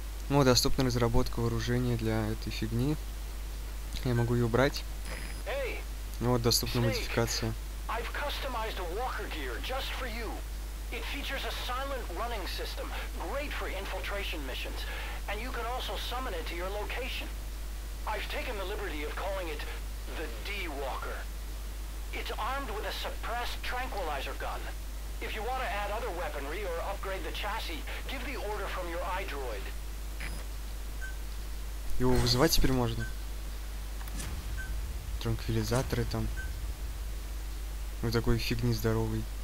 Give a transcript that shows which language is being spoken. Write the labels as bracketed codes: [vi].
[ru] Ну, доступна разработка вооружения для этой фигни. Я могу ее брать. Ну вот, доступна модификация. [en] I've customized a walker gear just for you. It features a silent running system, great for infiltration missions. And you can also summon it to your location. I've taken the liberty of calling it the D-Walker. It's armed with a suppressed tranquilizer gun. If you want to add other weaponry or upgrade the chassis, give the order from your iDroid. [ru] Его вызывать теперь можно? Транквилизаторы там. Вы такой фигни здоровый.